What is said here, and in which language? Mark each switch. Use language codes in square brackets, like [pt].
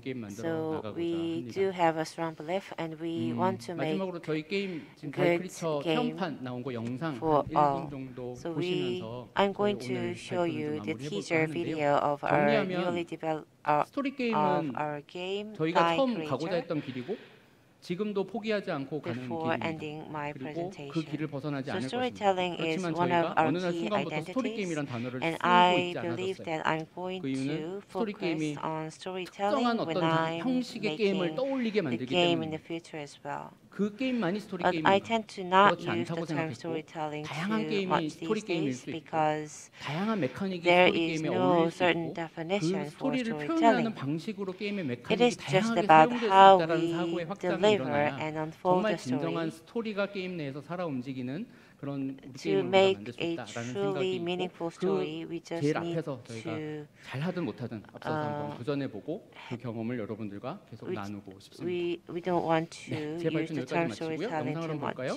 [en] So we do have a strong belief and we want to make good game for all. So I'm going to show you the teaser video of our newly developed of our game, Die Creature. [ko] 지금도 포기하지 않고 가는 길입니다. 그 길을 벗어나지 [en] so [ko] 않을 것입니다. 그렇지만 저희가 어느 날 순간부터 스토리 게임이란 단어를 쓰고 있지 않았었어요. 그 이유는 스토리 게임이 특정한 어떤 형식의 게임을 떠올리게 만들기 때문입니다. 그 게임만이 스토리 게임인가 그렇지 않다고 생각했고 다양한 게임이 스토리 게임일 수 있고 다양한 메커닉이 스토리 게임에 어울릴 수 있고 그 스토리를 표현하는 방식으로 게임의 메커닉이 다양하게 사용될 수 있다는 사고의 확장이 일어나야 정말 진정한 스토리가 게임 내에서 살아 움직이는 그런 게임을 만들 수 있다라는 생각이 그 제일 앞에서 저희가 잘하든 못하든 앞서서 한번 도전해보고 그 경험을 여러분들과 계속 나누고 싶습니다. [en] We don't want to 네, use the term storytelling too much.